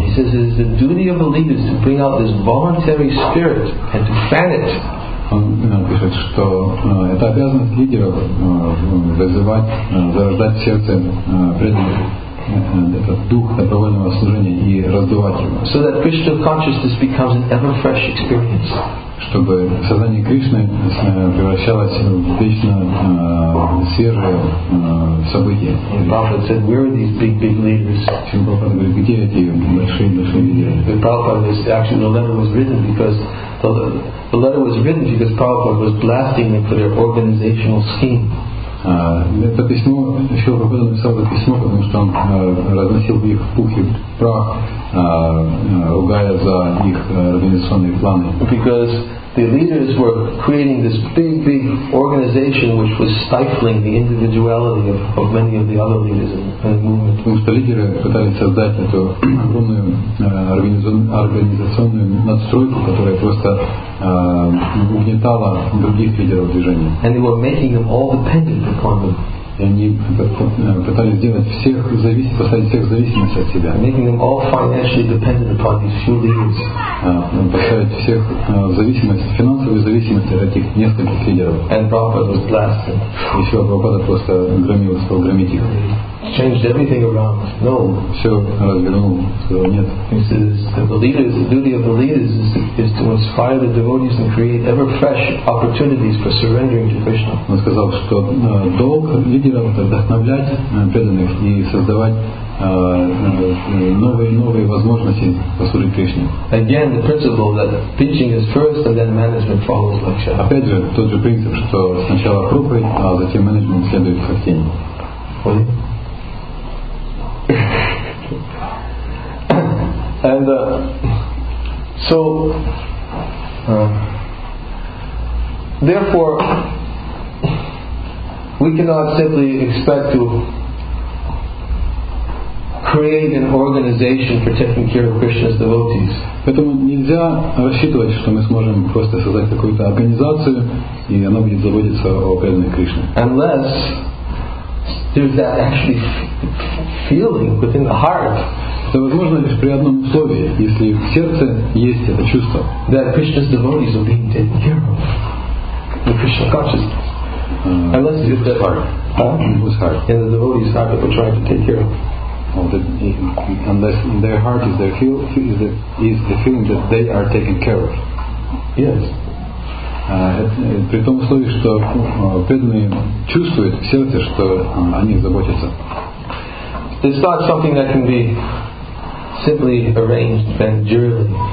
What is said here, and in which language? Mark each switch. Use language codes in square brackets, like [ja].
[en] He says it is the duty of the leaders to bring out this voluntary spirit and to fan it. [ru] Он пишет, что это обязанность лидеров вызывать, зарождать в сердце преданных этот дух добровольного служения и раздувать его. [en] So that Krishna consciousness becomes an ever fresh experience. [ru] Чтобы сознание Кришны превращалось в вечно свежее событие. [en] Prabhupada said, where are these big leaders? [ru] Prabhupada говорит, где эти большие лидеры? [en] Prabhupada said, actually, the letter was written because Prabhupada was blasting them for their organizational scheme. [ru] Это письмо, Шрила Прабхупада написал это письмо, потому что он разносил их в пух и прах, ругая за их организационные планы. [en] Because the leaders were creating this big organization which was stifling the individuality of many of the other leaders in the movement. [ru] Потому что лидеры пытались создать эту огромную организационную надстройку, которая просто угнетала других лидеров движения. [en] And they were making them all dependent upon them. [ru] И они пытались сделать всех зависеть, поставить всех в зависимость от себя. [en] Making them all financially dependent upon these few leaders. [ru] Поставить всех в зависимость, финансовую зависимость от этих нескольких лидеров. [en] And Prabhupada was blasted. [ru] И Шрила Прабхупада просто громил их. [en] changed everything around. No. [ru] Все развернул. Все нет. [en] The duty of the leaders is to inspire the devotees and create ever fresh opportunities for surrendering to Krishna. [ru] Он сказал, что долг лидеров это вдохновлять преданных и создавать новые и новые возможности послужить Кришне. [en] Again, the principle that teaching is first and then management follows lecture. [ru] Опять же, тот же принцип, что сначала проповедь, а затем менеджмент следует в хастине. [en] And so therefore we cannot simply expect to create an organization for taking care of Krishna's devotees. [ru] Поэтому нельзя рассчитывать, что мы сможем просто создать какую-то организацию, и она будет заботиться о преданных Кришне. [en] Unless there's that actually feeling within the heart. [ru] Это возможно лишь при одном условии, если в сердце есть это чувство. [en] That Krishna's devotees are being taken care of. The Krishna consciousness. Unless it's in the heart. Whose heart? In the devotees' heart that we're trying to take care of. Unless in their heart is their feel is the feeling that they are taken care of. Yes. [ru] При том условии, что преданные чувствуют в сердце, что о них заботятся. [en] It's not something that can be simply arranged managerially.